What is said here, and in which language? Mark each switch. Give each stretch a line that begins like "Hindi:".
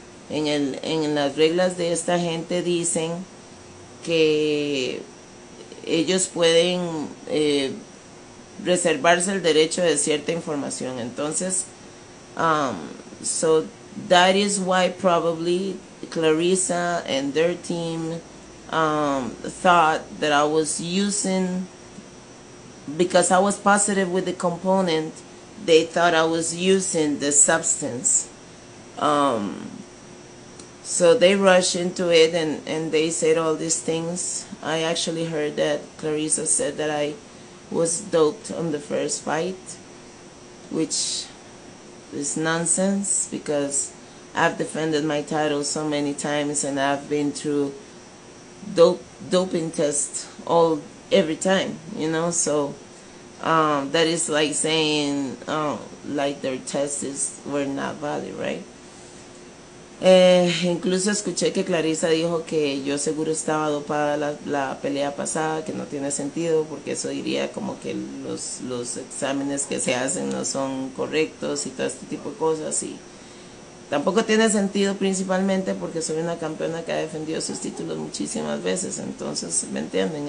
Spanish: En las reglas de esta gente dicen que ellos pueden reservarse el derecho de cierta información.
English: Entonces, so that is why probably Claressa and their team thought that I was using, because I was positive with the component, they thought I was using the substance. So they rushed into it and they said all these things. I actually heard that Claressa said that I was doped on the first fight, which is nonsense, because I've defended my title so many times and I've been through doping tests every time, you know, so that is like saying, like their tests were not valid, right?
Spanish: Incluso escuché que Claressa dijo que yo seguro estaba dopada la pelea pasada, que no tiene sentido, porque eso diría como que los exámenes que se hacen no son correctos y todo este tipo de cosas. Y tampoco tiene sentido principalmente porque soy una campeona que ha defendido sus títulos muchísimas veces, entonces, ¿me entienden?